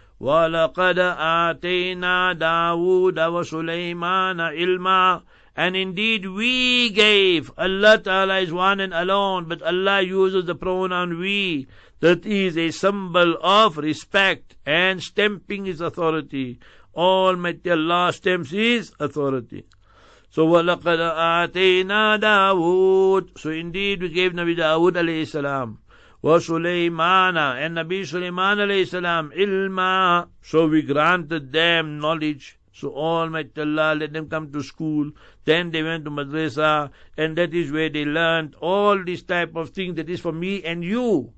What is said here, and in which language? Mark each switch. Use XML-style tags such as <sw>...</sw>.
<ar>وَلَقَدْ آتَيْنَا دَاوُودَ وَسُلَيْمَانَ إِلْمًا.</ar> <en>And indeed we gave. Allah Ta'ala is one and alone, but Allah uses the pronoun we. That is a symbol of respect and stamping his authority. Almighty Allah stamps his authority.</en> <ar>So وَلَقَدْ آتَيْنَا دَاوُودَ.</ar> <en>So indeed we gave Nabi Dawood alayhi salam. وَسُلَيْمَانَ, and Nabi Sulaiman alayhi salam, ilma, so we granted them knowledge. So Almighty Allah let them come to school. Then they went to madrasa, and that is where they learned all this type of thing that is for me and you.</en>